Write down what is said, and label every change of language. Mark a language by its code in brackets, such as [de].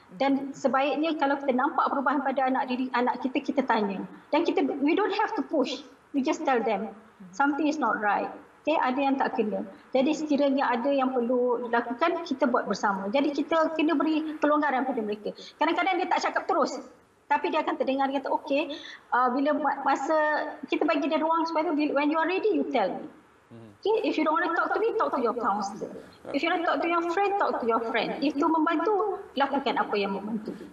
[ms] Dan sebaiknya kalau kita nampak perubahan pada anak diri anak kita, kita tanya. [en] Dan kita, we don't have to push. We just tell them something is not right. [ms] Okay, ada yang tak kena. Jadi sekiranya ada yang perlu dilakukan, kita buat bersama. Jadi kita kena beri kelonggaran pada mereka. Kadang-kadang dia tak cakap terus, tapi dia akan terdengar, dia kata okey, bila masa kita bagi dia ruang supaya dia, when you are ready you tell me. [en] Okay, if you don't want to talk to me, talk to your counselor. If you want to talk to your friend, talk to your friend. [ms] If itu membantu, lakukan apa yang membantu.